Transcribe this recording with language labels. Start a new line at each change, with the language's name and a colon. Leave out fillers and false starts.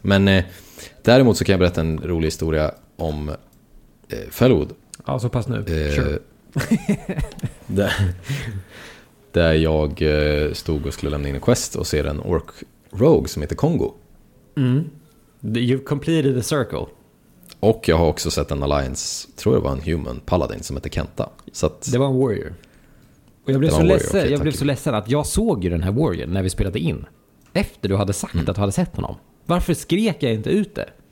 Swedish: Men däremot så kan jag berätta en rolig historia om Fellwood. Ja, så pass nu. där jag stod och skulle lämna in en quest och ser en orc rogue som heter Kongo. Mm.
English: You've completed the circle.
Swedish: Och jag har också sett en alliance, tror jag var en human paladin som heter Kenta. Så att, det var en warrior. Och jag blev så ledsen. Okay, jag blev så ledsen att jag såg ju den här warrior när vi spelade in. Efter du hade sagt att du hade sett honom. Varför skrek jag inte ut det?